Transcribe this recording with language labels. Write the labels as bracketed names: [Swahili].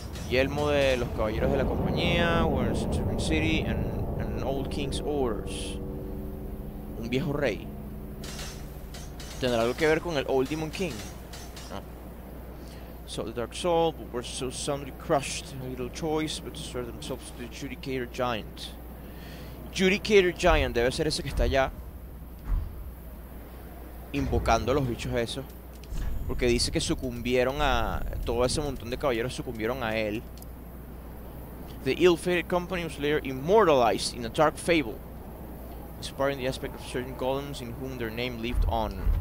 [Spanish] Yelmo de los Caballeros de la Compañía. We're in Centurion City. [English] And Old King's Orders. Un viejo rey. [Spanish] ¿Tendrá algo que ver con el Old Demon King? No. [English] saw the Dark Soul, but were so soundly crushed, little choice but to serve themselves to the Judicator Giant. [Spanish] Judicator Giant, debe ser ese que está allá invocando a los bichos esos. Porque dice que sucumbieron a... todo ese montón de caballeros sucumbieron a él. [English] The ill-fated company was later immortalized in a dark fable, inspiring the aspect of certain golems in whom their name lived on.